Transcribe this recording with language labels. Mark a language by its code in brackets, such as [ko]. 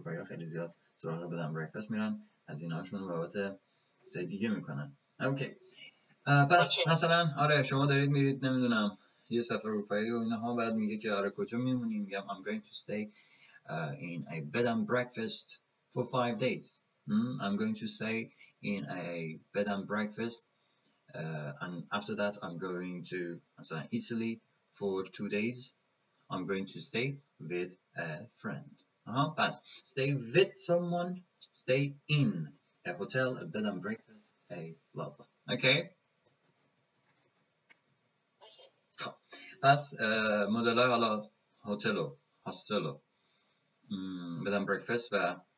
[fa] اروپایی ها خیلی زیاد سراغ bread and breakfast میرن، از این هاشون بابت سه دیگه میکنن. okay. پس مثلا آره شما دارید میرید نمیدونم یه سفر اروپایی و اینها، بعد میگه که آره کجا میمونیم، میگم [en] I'm going to stay in a bed and breakfast for 5 days. I'm going to stay in a bed and breakfast and after that I'm going to [fa] مثلا [en] Italy for 2 days. I'm going to stay with a friend. [fa] پس [en] stay with someone, stay in a hotel, a bed and breakfast, a club. okay. [fa] پس مدل های حالا هتل و هاستل و بدن بریکفست و